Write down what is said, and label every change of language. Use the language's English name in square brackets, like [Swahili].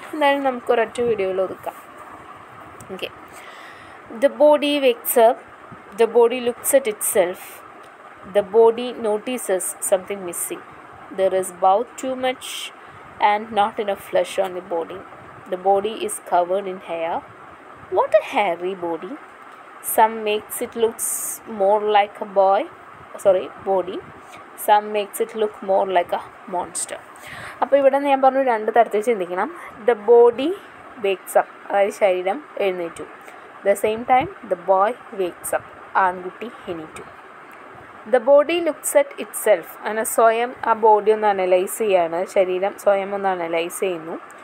[Malayalam] എന്തായാലും നമുക്ക് ഒരൊറ്റ വീഡിയോയിൽ ഒതുക്കാം. [English] Okay. The body wakes up, the body looks at itself, the body notices something missing, there is about too much and not enough flesh on the body. The body is covered in hair. What a hairy body. Some makes it looks more like a boy, sorry, body. Some makes it look more like a monster. [Malayalam] അപ്പോൾ ഇവിടെ ഞാൻ പറഞ്ഞു രണ്ട് തരത്തിൽ ചിന്തിക്കണം. [English] the body wakes up, [Malayalam] അതായത് ശരീരം എഴുന്നേറ്റു. [English] the same time the boy wakes up, [Malayalam] ആൺകുട്ടി എണീറ്റു. [English] the body looks at itself, [Malayalam] അങ്ങനെ സ്വയം ആ ബോഡി ഒന്ന് അനലൈസ് ചെയ്യാണ്, ശരീരം സ്വയം ഒന്ന് അനലൈസ് ചെയ്യുന്നു.